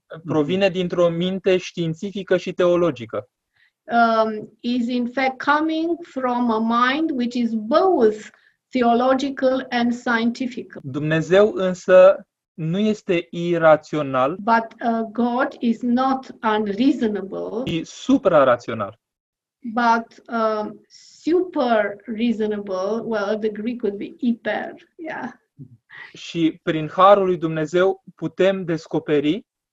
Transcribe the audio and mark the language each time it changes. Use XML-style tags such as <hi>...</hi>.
<ro>provine dintr-o minte științifică și teologică.</ro> <en>Is in fact coming from a mind which is both theological and scientific.</en> <ro>Dumnezeu însă nu este irațional.</ro> <en>But God is not unreasonable.</en> <ro>E supra-rațional.</ro> <en>But super reasonable, well the Greek would be hyper, yeah.</en> <ro>Și prin harul lui Dumnezeu putem descoperi.</ro>